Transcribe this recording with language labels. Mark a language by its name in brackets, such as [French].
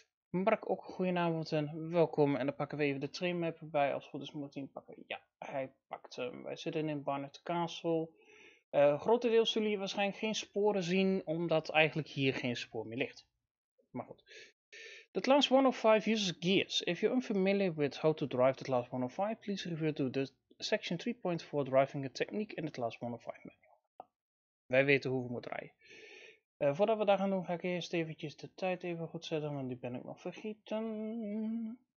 [Dutch] Mark ook een goede naam en welkom. En dan pakken we even de trainmap erbij. Als het goed is moet hij hem pakken. Ja, hij pakt hem. Wij zitten in Barnet Castle. Grotendeels zullen jullie waarschijnlijk geen sporen zien, omdat eigenlijk hier geen spoor meer ligt. Maar goed. [English] The class 105 uses gears. If you're unfamiliar with how to drive the class 105, please refer to the section 3.4 driving a technique in the class 105 manual. [Dutch] Wij weten hoe we moeten rijden. Voordat we daar gaan doen, ga ik eerst eventjes de tijd even goed zetten, want die ben ik nog vergeten.